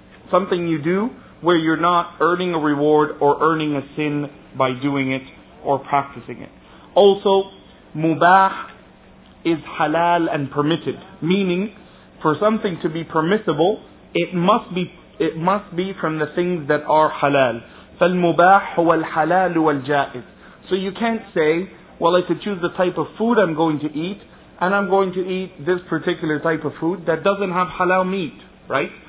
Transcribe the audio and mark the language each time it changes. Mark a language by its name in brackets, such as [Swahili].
[English] Something you do where you're not earning a reward or earning a sin by doing it or practicing it. Also, mubah is halal and permitted, meaning for something to be permissible, it must be from the things that are halal. [Arabic] فالمباح هو الحلال والجائز. [English] So you can't say, well, I could choose the type of food I'm going to eat, and I'm going to eat this particular type of food that doesn't have halal meat, right?